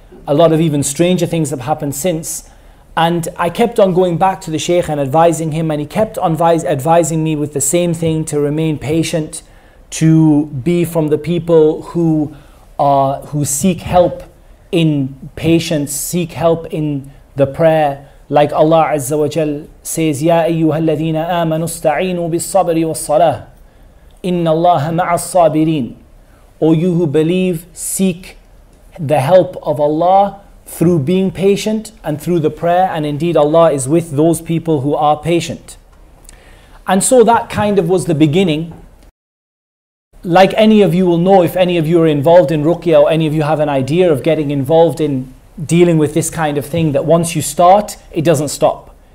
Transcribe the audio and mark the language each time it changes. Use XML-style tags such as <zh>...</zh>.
<en>A lot of even stranger things have happened since. And I kept on going back to the Shaykh and advising him, and he kept on advising me with the same thing, to remain patient, to be from the people who seek help in patience, seek help in the prayer. Like Allah Azza wa Jal says,</en> <ar>يَا أَيُّهَا الَّذِينَ آمَنُوا اسْتَعِينُوا بِالصَّبْرِ وَالصَّلَاةِ إِنَّ اللَّهَ مَعَ الصَّابِرِينَ.</ar> <en>O you who believe, seek the help of Allah through being patient and through the prayer, and indeed Allah is with those people who are patient. And so that kind of was the beginning. Like any of you will know, if any of you are involved in ruqya, or any of you have an idea of getting involved in dealing with this kind of thing, that once you start, it doesn't stop.</en>